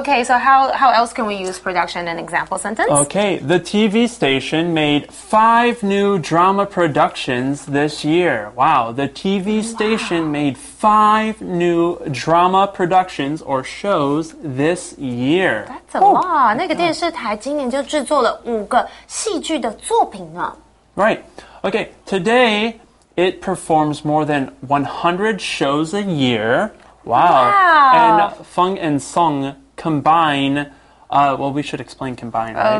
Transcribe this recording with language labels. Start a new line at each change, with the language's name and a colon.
English: Okay, so how else can we use production in an example sentence? Okay, the TV station made 5 new drama productions this year. Wow, the TV station made 5 new drama productions or shows this year. That's a lot.
Chinese: 那个电视台今年就制作了五个戏剧的作品啊。
English: Right. Okay, today it performs more than 100 shows a year. Wow. And Feng and Song combine, well, we should explain combine, right?